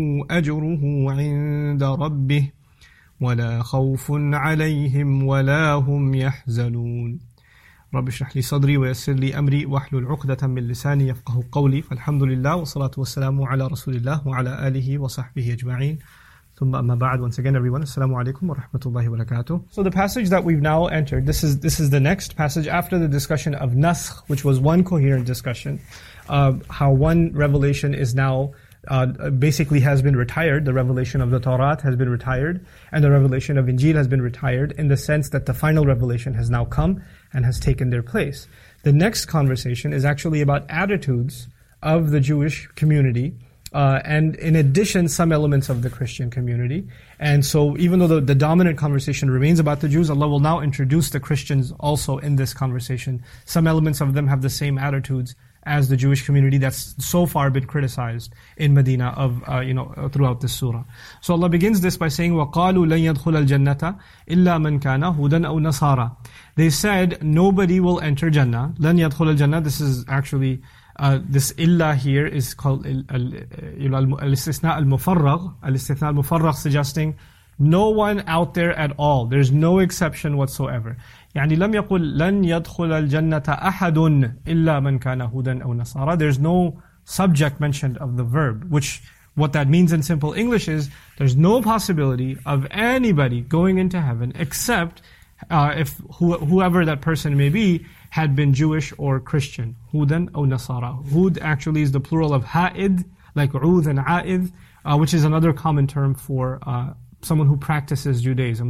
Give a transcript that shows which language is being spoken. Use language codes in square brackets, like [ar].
[ar] أجره عند ربه ولا خوف عليهم ولا هم يحزنون رب اشرح لي صدري ويسر لي امري واحلل عقدة من لساني يفقهوا قولي فالحمد لله والصلاة والسلام على رسول الله وعلى آله وصحبه اجمعين ثم اما بعد [en] once again everyone [ar] السلام عليكم ورحمة الله وبركاته. [en] So the passage that we've now entered, this is the next passage after the discussion of nasakh, which was one coherent discussion of how one revelation is now basically has been retired. The revelation of the Torah has been retired, and the revelation of Injil has been retired in the sense that the final revelation has now come and has taken their place. The next conversation is actually about attitudes of the Jewish community, and in addition, some elements of the Christian community. And so even though the dominant conversation remains about the Jews, Allah will now introduce the Christians also in this conversation. Some elements of them have the same attitudes as the Jewish community that's so far been criticized in Medina of throughout this surah. So Allah begins this by saying, [ar] وَقَالُوا لَنْ يَدْخُلَ الْجَنَّةَ إِلَّا مَنْ كَانَ هُدًا أَوْ نَصَارَى. [en] They said, nobody will enter Jannah. [ar] لَنْ يَدْخُلَ الْجَنَّةَ. [en] This is actually, this illa here is called [ar] الْاِسْتِثْنَاءَ الْمُفَرَّغَ. الْاِسْتِثْنَاءَ الْمُفَرَّغَ, [en] suggesting no one out there at all. There's no exception whatsoever. [ar] يعني لم يقل لن يدخل الجنة أحد إلا من كان هودا أو نصارى. [en] There's no subject mentioned of the verb, which what that means in simple English is there's no possibility of anybody going into heaven except if whoever that person may be had been Jewish or Christian. [ar] هودا أو نصارى. [en] هود actually is the plural of هائد, like عود and عائد, which is another common term for someone who practices Judaism.